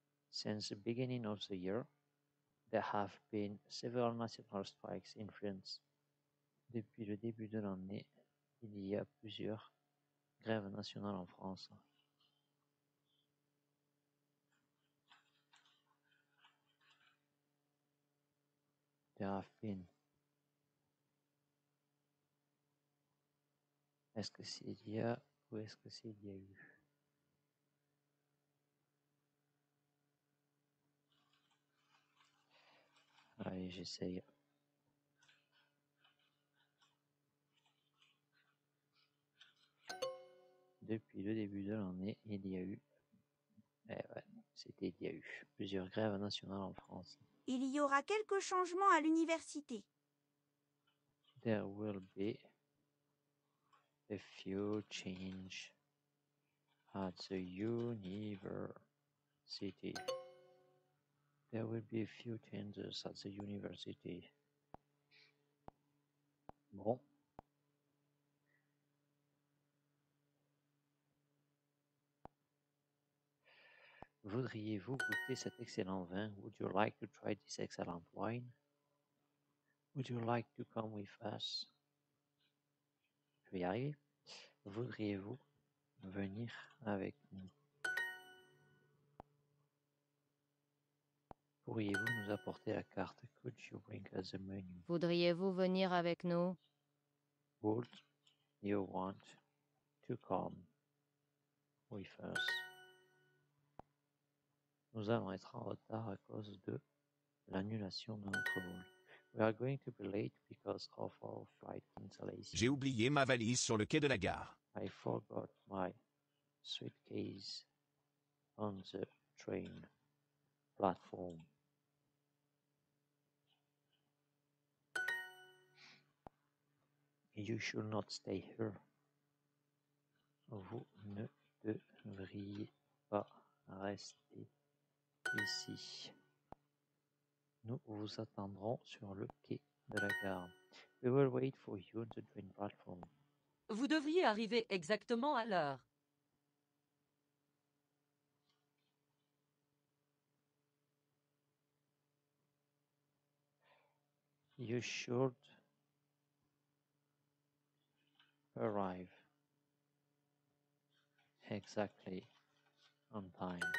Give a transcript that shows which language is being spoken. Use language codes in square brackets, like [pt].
[en] Since the beginning of the year, there have been several national strikes in France. [fr] Depuis le début de l'année, il y a plusieurs grèves nationales en France. [en] There have been. [fr] Est-ce que c'est il y a ou est-ce que c'est il y a eu? Allez, j'essaye. Depuis le début de l'année, il y a eu. Il y a eu plusieurs grèves nationales en France. Il y aura quelques changements à l'université. [en] There will be a few changes at the university. There will be a few changes at the university. [fr] Bon. Voudriez-vous goûter cet excellent vin? [en] Would you like to try this excellent wine? Would you like to come with us? [fr] Je vais y arriver. Voudriez-vous venir avec nous? Pourriez-vous nous apporter la carte? [en] Could you bring us a menu? [fr] Voudriez-vous venir avec nous? [en] Would you want to come with us? [fr] Nous allons être en retard à cause de l'annulation de notre vol. [en] We are going to be late because of our flight cancellation. [fr] J'ai oublié ma valise sur le quai de la gare. [en] I forgot my suitcase on the train platform. You should not stay here. [fr] Vous ne devriez pas rester ici. Nous vous attendrons sur le quai de la gare. [en] We will wait for you on the train platform. [fr] Vous devriez arriver exactement à l'heure. [en] You should arrive exactly on time.